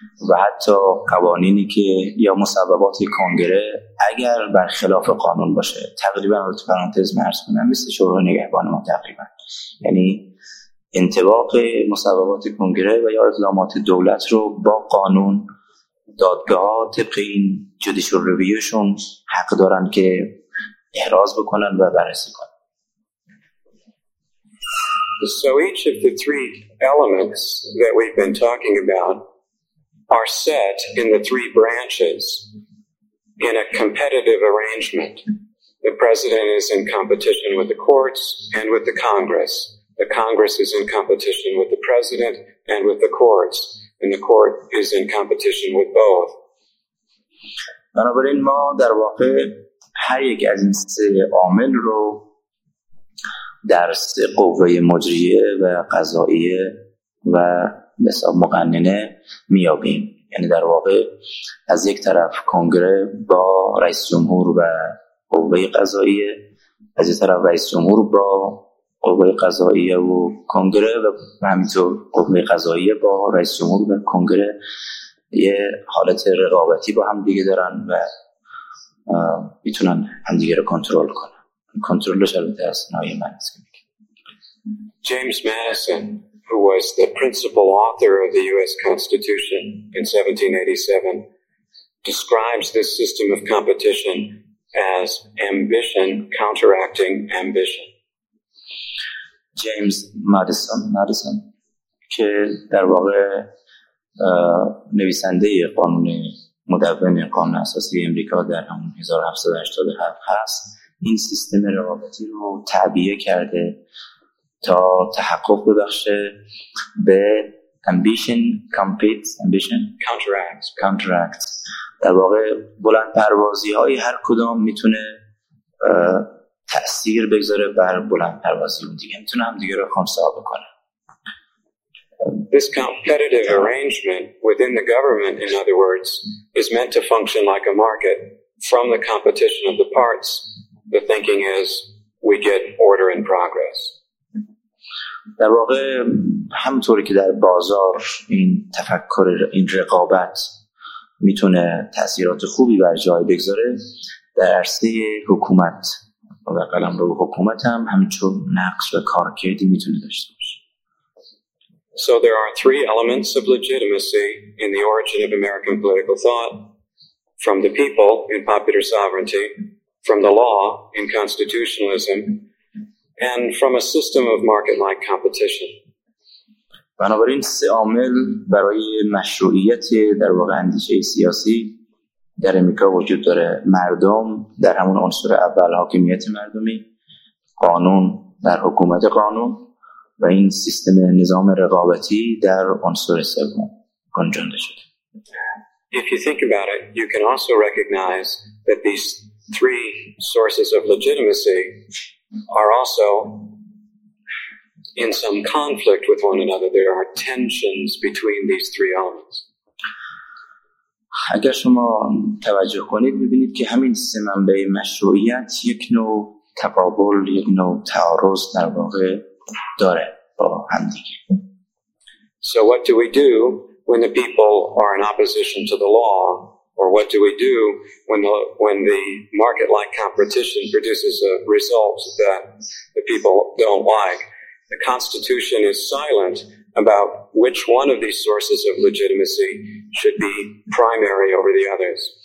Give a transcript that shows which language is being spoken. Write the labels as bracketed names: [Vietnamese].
[Persian] و حتی قوانینی که یا مصوبات کنگره اگر برخلاف قانون باشه تقریبا رو تو پرانتز مرز کنم مثل شورای نگهبان ما تقریبا یعنی انطباق مصوبات کنگره و یا اقدامات دولت رو با قانون دادگاه طبق این جودیشور ریویوشون حق دارن که احراز بکنن و بررسی کنن. [English] So each of the three elements that we've been talking about are set in the three branches in a competitive arrangement. The president is in competition with the courts and with the Congress. The Congress is in competition with the president and with the courts, and the court is in competition with both. [Persian] بنابراین ما در واقع هر یک از این سه عامل رو در سه قوه مجریه و قضائیه و مثلا مقننه میابیم. یعنی در واقع از یک طرف کنگره با رئیس جمهور و قوه قضائیه، از یک طرف رئیس جمهور با قوه قضاییه و کنگره و همینطور قوه قضاییه با رئیس جمهور و کنگره یه حالت رقابتی با هم دیگه دارن و میتونن هم دیگه رو کنترل کنن. کنترلش البته از نوعی من است. [English] James Madison, who was the principal author of the U.S. Constitution in 1787, describes this system of competition as ambition counteracting ambition. [Persian] James Madison, که در واقع نویسنده قانون مدون قانون اساسی امریکا در 1787 هست، این سیستم رقابتی رو تعبیه کرده تا تحقق ببخشه به [English] ambition competes ambition counteracts [Persian] در واقع بلند پروازی های هر کدام میتونه تأثیر بگذاره بر بلند پروازی اون دیگه، میتونه هم دیگه رو خونسا بکنه. [English] This competitive arrangement within the government, in other words, is meant to function like a market. From the competition of the parts, the thinking is we get order and progress. [Persian] در واقع همونطوری که در بازار این تفکر این رقابت میتونه تأثیرات خوبی بر جای بگذاره، در عرصه حکومت و قلمرو حکومت هم همینطور نقش و کارکردی میتونه داشته باشه. [English] So there are three elements of legitimacy in the origin of American political thought: from the people in popular sovereignty, from the law in constitutionalism, and from a system of market-like competition. [Persian] بنابراین سه عامل برای مشروعیت در واقع اندیشه سیاسی در امریکا وجود داره: مردم، در همون عنصر اول حاکمیت مردمی، قانون در حکومت قانون، و این سیستم نظام رقابتی در عنصر سوم گنجانده شده. [English] If you think about it, you can also recognize that these three sources of legitimacy are also in some conflict with one another. There are tensions between these three elements. [Persian] اگر شما توجه کنید ببینید که همین سه منبع مشروعیت یک نوع تقابل، یک نوع تعارض در واقع داره با هم دیگه. [English] So what do we do when the people are in opposition to the law? Or what do we do when the market-like competition produces a result that the people don't like? The Constitution is silent about which one of these sources of legitimacy should be primary over the others.